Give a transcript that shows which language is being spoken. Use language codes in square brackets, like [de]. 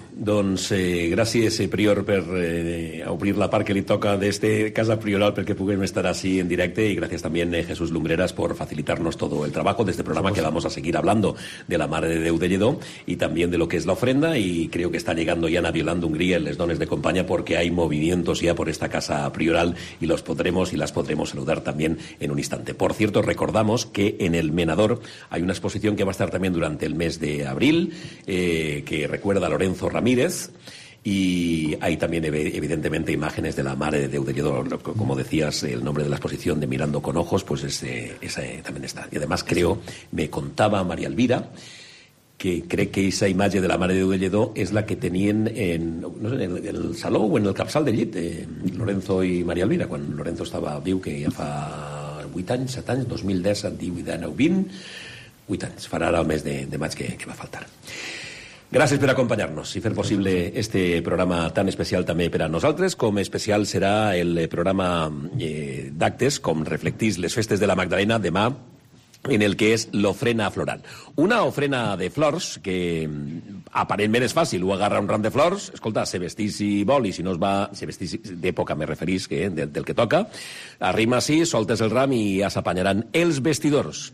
[ca] Doncs gràcies, prior, per obrir la part que li toca d'este casa prioral perquè puguem estar així en directe, i gràcies també a Jesús Lumbreras [es] por facilitar-nos todo el trabajo d'este programa que vamos a seguir hablando de [ca] la Mare de Déu de Lledó i també de lo que és l'ofrenda, i [es] creo que [ca] està llegando ya Naviolando Hungría en les dones de companya perquè [es] hay movimientos ya por esta casa prioral y los podremos y las podremos saludar también en un instante. Por cierto, recordamos que en el Menador hay una exposición que va a estar también durante el mes de abril, que recuerda a Lorenzo Ramírez, y hay también evidentemente imágenes de la Mare de Déu de Lledó, como decías, el nombre de la exposición de Mirando con Ojos, pues esa también está. Y además creo, me contaba María Elvira, que cree que esa imagen de la Mare de Déu de Lledó es la que tenían en el saló o en el capsal de llit, Lorenzo y María Elvira, cuando Lorenzo estaba viu, que ya fa 8 años, 7 años, 2010, 18, 19, 20, 8 años, [ca] farà ara el mes de maig que va a faltar. Gràcies per acompanyar-nos i fer possible este programa tan especial també per a nosaltres, com especial serà el programa d'actes, com reflectís les festes de la Magdalena demà, en el que és l'ofrena floral. Una ofrena de flors que aparentment és fàcil, ho agarra un ram de flors, escolta, se vestís si vol i si no es va, se vestís d'època, me referís, que, del que toca, arrima així, soltes el ram i ja s'apanyaran els vestidors.